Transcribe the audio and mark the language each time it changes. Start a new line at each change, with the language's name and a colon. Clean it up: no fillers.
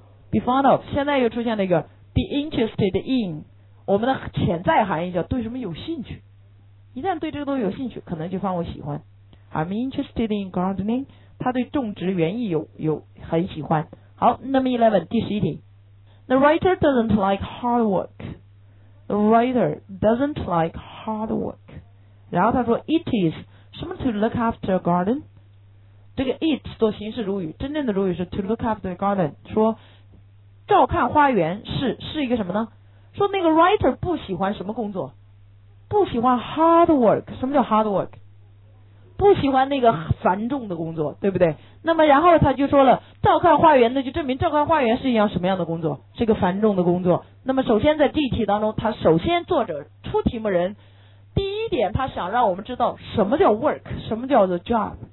Chinese: be fond of， 现在又出现了一个 be interested in， 我们的潜在含义叫对什么有兴趣，一旦对这个东西有兴趣可能就放为喜欢。
English: I'm interested in gardening，
Chinese: 他对种植园艺有很喜欢。好，那么11第十一题，
English: The writer doesn't like hard work。 The writer doesn't like hard work。
Chinese: 然后他说 it is 什么
English: to look after a garden，
Chinese: 这个 it 做形式主语，真正的主语是 to look after a garden， 说照看花园是一个什么呢？说那个 writer 不喜欢什么工作？不喜欢 hard work。 什么叫 hard work？不喜欢那个繁重的工作，对不对？那么然后他就说了，照看花园，那就证明照看花园是一样什么样的工作，是个繁重的工作。那么首先在第一题当中，他首先作者出题目人第一点，他想让我们知道什么叫 work， 什么叫做 job。